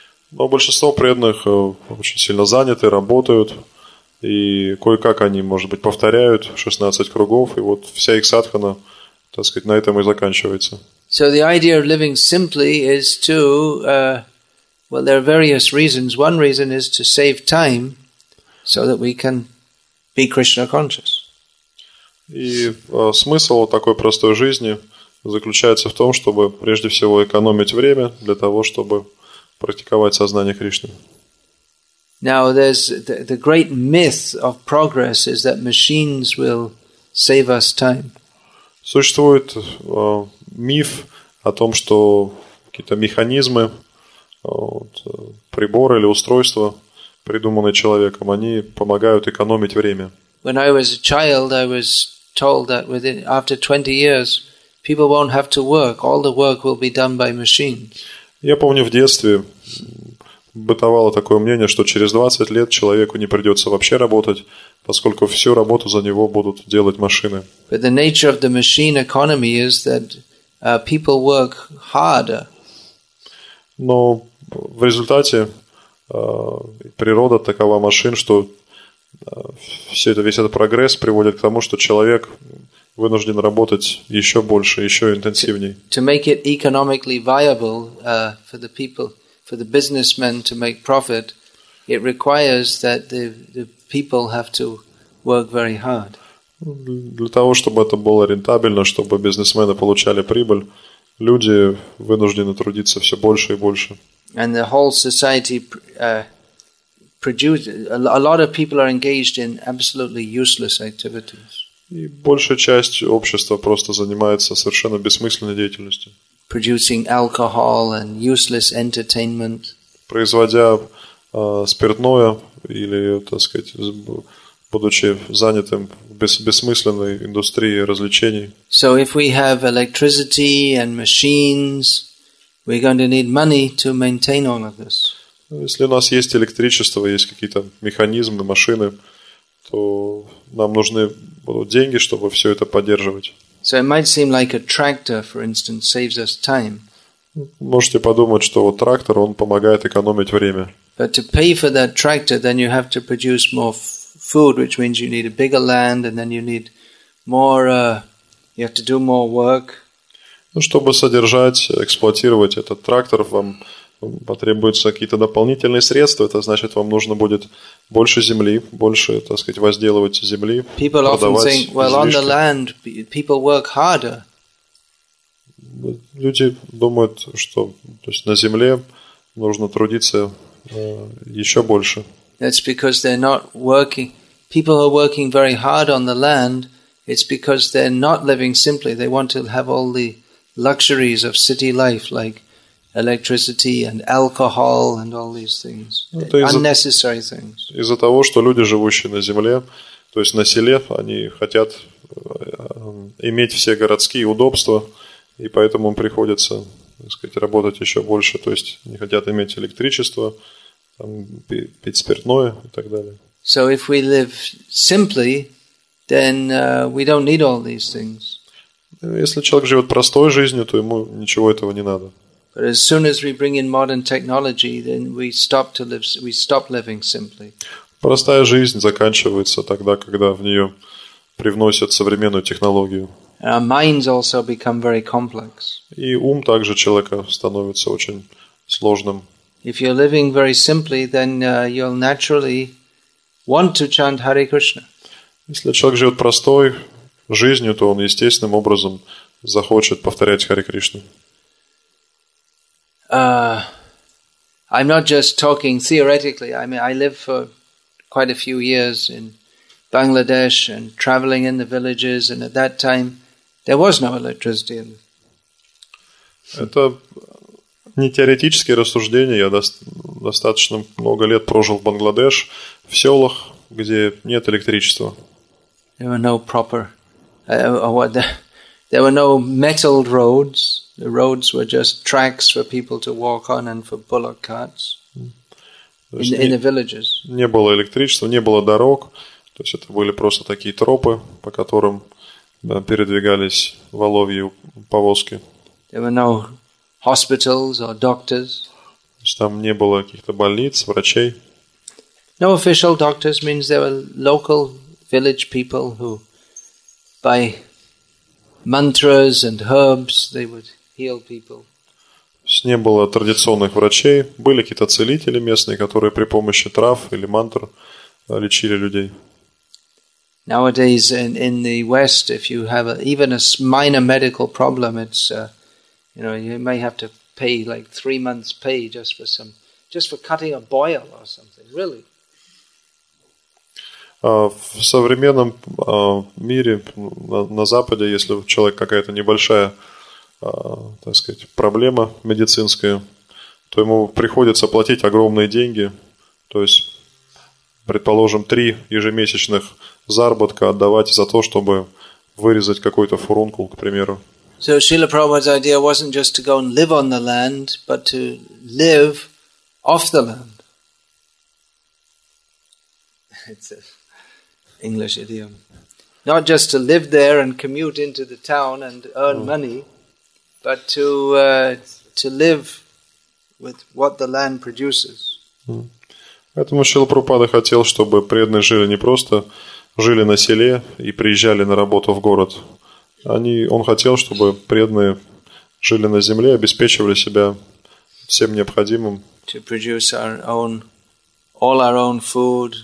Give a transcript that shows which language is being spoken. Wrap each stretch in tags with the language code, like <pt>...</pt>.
<ru>Но большинство преданных очень сильно заняты, работают, И кое-как они, может быть, повторяют 16 кругов, и вот вся их садхана, так сказать, на этом и заканчивается.</ru> <en>So the idea of living simply is to, well, there are various reasons. One reason is to save time so that we can be Krishna conscious.</en> <ru>И смысл такой простой жизни заключается в том, чтобы прежде всего экономить время для того, чтобы практиковать сознание Кришны.</ru> <en>Now there's the great myth of progress is that machines will save us time.</en> <ru>Существует миф о том, что какие-то механизмы, вот, приборы или устройства, придуманные человеком, они помогают экономить время.</ru> <en>When I was a child, I was told that after 20 years, people won't have to work. All the work will be done by machines.</en> <ru>Я помню, в детстве бытовало такое мнение, что через 20 лет человеку не придется вообще работать, поскольку всю работу за него будут делать машины.</ru> <en>But the nature of the machine economy is that people work harder.</en> <ru>Но в результате природа такова машин, что весь этот прогресс приводит к тому, что человек вынужден работать еще больше, еще интенсивней.</ru> <en>To make it economically viable for the people, for the businessmen to make profit, it requires that the people have to work very hard.</en> <ru>Для того, чтобы это было рентабельно, чтобы бизнесмены получали прибыль, люди вынуждены трудиться все больше и больше.</ru> <en>And the whole society produces, a lot of people are engaged in absolutely useless activities.</en> <ru>И большая часть общества просто занимается совершенно бессмысленной деятельностью.</ru> <en>Producing alcohol and useless entertainment.</en> <ru>Производя спиртное или, так сказать, будучи занятым в бессмысленной индустрии развлечений.</ru> <en>So if we have electricity and machines, we're going to need money to maintain all of this.</en> <ru>Если у нас есть электричество, есть какие-то механизмы, машины, то нам нужны будут деньги, чтобы все это поддерживать.</ru> <en>So it might seem like a tractor, for instance, saves us time.</en> <ru>Можете подумать, что вот трактор, он помогает экономить время.</ru> <en>But to pay for that tractor, then you have to produce more food, which means you need a bigger land, and then you need more, you have to do more work.</en> <ru>Ну, чтобы содержать, эксплуатировать этот трактор, вам потребуются какие-то дополнительные средства. Это значит, вам нужно будет больше земли, больше, так сказать, возделывать земли,</ru> <en>people</en> <ru>продавать</ru> <en>often think, well,</en> <ru>излишки.</ru> <en>On the land, people work harder.</en> <ru>Люди думают, что, то есть, на земле нужно трудиться еще больше.</ru> <en>That's because they're not working. People are working very hard on the land. It's because they're not living simply. They want to have all the luxuries of city life, like electricity and alcohol and all these things. Unnecessary things.</en> <ru>Из-за того, что люди, живущие на земле, то есть на селе, они хотят иметь все городские удобства, и поэтому им приходится, так сказать, работать еще больше. То есть не хотят иметь электричество, пить спиртное и так далее.</ru> <en>So if we live simply, then we don't need all these things.</en> <ru>Если человек живет простой жизнью, то ему ничего этого не надо.</ru> <en>But as soon as we bring in modern technology, then we stop living simply.</en> <ru>Простая жизнь заканчивается тогда, когда в нее привносят современную технологию.</ru> <en>Our minds also become very complex.</en> <ru>И ум также человека становится очень сложным.</ru> <en>If you're living very simply, then you'll naturally want to chant Hare Krishna.</en> <ru>Если человек живет простой жизнью, то он естественным образом захочет повторять Харе Кришну.</ru> <en>I'm not just talking theoretically. I mean, I live for quite a few years in Bangladesh and traveling in the villages, and at that time there was no electricity.</en> <ru>Это не теоретические рассуждения. Я достаточно много лет прожил в Бангладеш, в селах, где нет электричества.</ru> <en>There were no proper there were no metal roads. The roads were just tracks for people to walk on and for bullock carts in the villages.</en> <ru>Не было электричества, не было дорог. То есть это были просто такие тропы, по которым передвигались воловьи повозки.</ru> <en>There were no hospitals or doctors.</en> <ru>То есть там не было каких-то больниц, врачей.</ru> <en>No official doctors means there were local village people who, by mantras and herbs, they would heal people.</en> <ru>Не было традиционных врачей, были какие-то целители местные, которые при помощи трав или мантр лечили людей.</ru> <en>Nowadays in the West, if you have even a minor medical problem, it's you know, you may have to pay like 3 months' pay just for cutting a boil or something. Really.</en> <ru>В современном мире на Западе, если у человека какая-то небольшая, так сказать, проблема медицинская, то ему приходится платить огромные деньги, то есть, предположим, 3 ежемесячных заработка отдавать за то, чтобы вырезать какой-то фурункул, к примеру.</ru> <en>So Srila Prabhupada's idea wasn't just to go and live on the land, but to live off the land. It's an English idiom. Not just to live there and commute into the town and earn money, but to live with what the land produces.</en> <ru>Поэтому Шрила Прабхупада хотел, чтобы преданные жили не просто жили на селе и приезжали на работу в город. Он хотел, чтобы преданные жили на земле, обеспечивали себя всем необходимым.</ru> <en>To produce all our own food.</en>